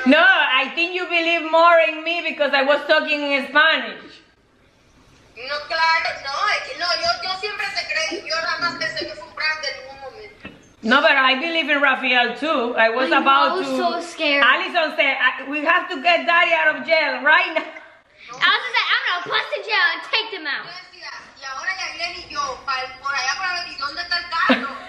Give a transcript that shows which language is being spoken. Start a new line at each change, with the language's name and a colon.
English: No, I think you believe more in me because I was talking in Spanish.
Spanish: No, claro, yo siempre te creí, yo jamás pensé que fue un prank en ningún momento.
English: No, but I believe in Rafael too. I was about to... I was so scared. Allison said, we have to get daddy out of jail right now. No. Allison said, I'm gonna bust in jail and take them out.
Spanish: Yo decía, y ahora ya viene y yo, por allá, por allá, ¿y dónde está el carro?